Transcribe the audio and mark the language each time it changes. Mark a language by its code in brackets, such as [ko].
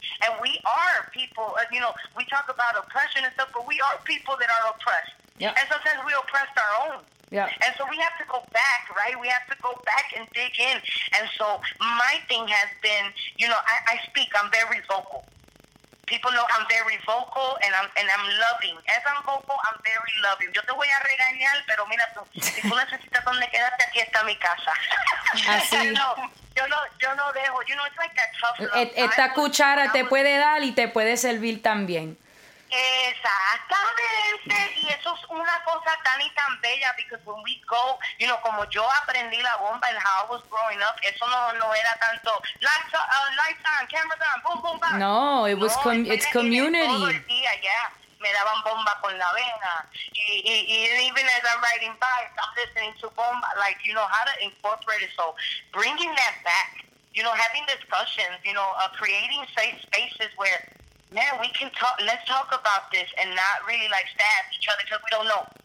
[en] And we are people, you know, we talk about oppression and stuff, but we are people that are oppressed. Yeah. And sometimes we oppress our own. Yeah. And so we have to go back, right? We have to go back and dig in. And so my thing has been, you know, I speak, I'm very vocal. People know I'm very vocal, and I'm loving. As I'm vocal, I'm very loving. [es] Yo te voy a regañar, pero mira tú. Si tú necesitas donde quedarte, aquí está mi casa. Así. Yo no dejo. [en] You know, it's like that tough love. [es] Esta cuchara te puede dar y te puede servir también. Exactamente. Y eso es una cosa tan y tan bella, [en] because when we go, you know, [es] como yo aprendí la bomba [en] and how I was growing up, [es] eso no era tanto [en] lights on, cameras on, boom, boom, bam. No, it was it's community. [es] Todo el día, me daban bomba con la vena. [en] Y even as I'm riding by, I'm listening to bomba, like, you know, how to incorporate it. So bringing that back, you know, having discussions, you know, creating safe spaces where, man, we can talk, let's talk about this and not really like stab each other because we don't know.